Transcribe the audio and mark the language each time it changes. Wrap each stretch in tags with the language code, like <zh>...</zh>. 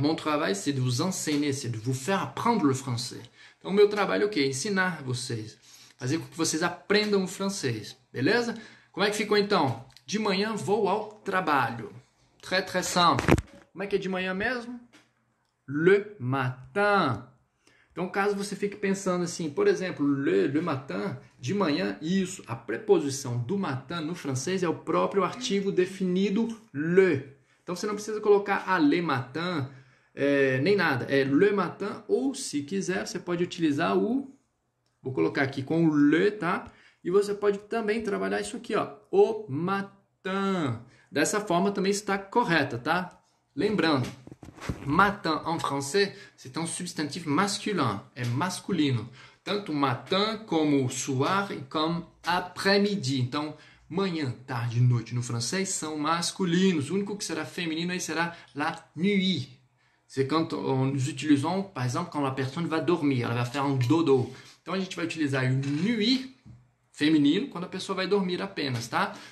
<fr>Mon travail, c'est de vous enseigner, c'est de vous faire apprendre le français.</fr> <pt>Então, meu trabalho é o quê? Ensinar vocês. Fazer com que vocês aprendam o francês. Beleza? Como é que ficou, então? De manhã, vou ao trabalho.</pt> <fr>Très, très simple.</fr> <pt>Como é que é de manhã mesmo? Le matin. Então, caso você fique pensando assim, por exemplo, le matin, de manhã, isso, a preposição do matin no francês é o próprio artigo definido le. Então, você não precisa colocar a le matin, nem nada. É le matin ou, se quiser, você pode utilizar o... Vou colocar aqui com o le, tá? E você pode também trabalhar isso aqui, ó. O matin. Dessa forma também está correta, tá?</pt> <fr>Lembrando, matin en français, c'est un substantif masculin,</fr> <pt>é masculino. Tanto matin como soir e comme après-midi. Então, manhã, tarde, noite no francês são masculinos. O único que será feminino aí será la nuit.</pt> <fr>C'est quand nous utilisons, par exemple, quand la personne va dormir,</fr> <pt>ela vai faire</pt> <fr>un dodo.</fr> <pt>Então, a gente vai utilizar o nuit feminino quando a pessoa vai dormir apenas, tá?</pt>